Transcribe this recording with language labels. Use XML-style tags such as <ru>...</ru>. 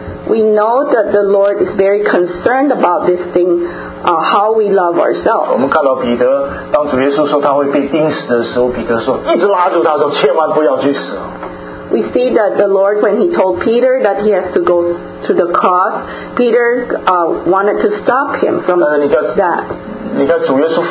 <en>We know that the Lord is very concerned about this thing, how we love ourselves.</en> <zh>我们看到彼得，当主耶稣说他会被钉死的时候，彼得说一直拉住他说，千万不要去死。</zh> <en>We see that the Lord, when he told Peter that he has to go to the cross, Peter wanted to stop him from that.</en>